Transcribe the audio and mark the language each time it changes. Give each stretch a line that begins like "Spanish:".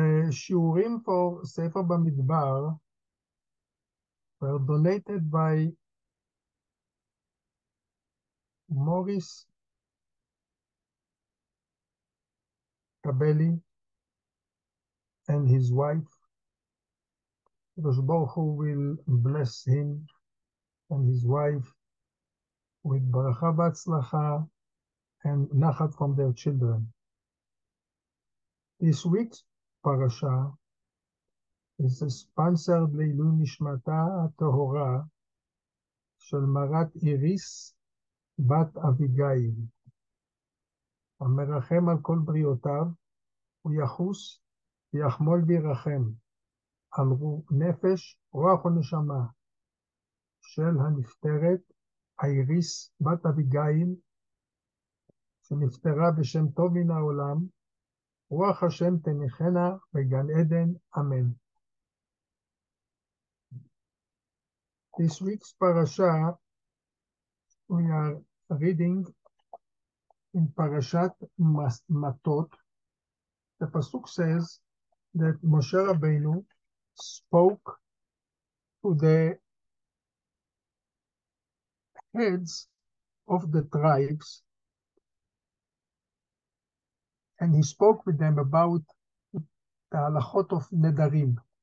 Hebrew: שיעורים פור ספר במדבר,
English: donated by מוריס, Kabeli and his wife. Kadosh Baruch Hu will bless him and his wife with Baracha Batzlacha and Nachat from their children. This week's parasha is sponsored Leilu Nishmata Tohora Shel Marat Iris Bat Avigail.
Hebrew: המרחם על כל בריאותיו, הוא יחוס, יחמול וירחם, על נפש, רוח ונשמה, של הנפטרת, איריס בת אביגיל, שנפטרה בשם טוב מן העולם, רוח השם תניחנה בגן עדן, אמן.
English: This week's parasha, we are reading, in Parashat Matot, the Pasuk says that Moshe Rabbeinu spoke to the heads of the tribes, and he spoke with them about the halachot of Nedarim.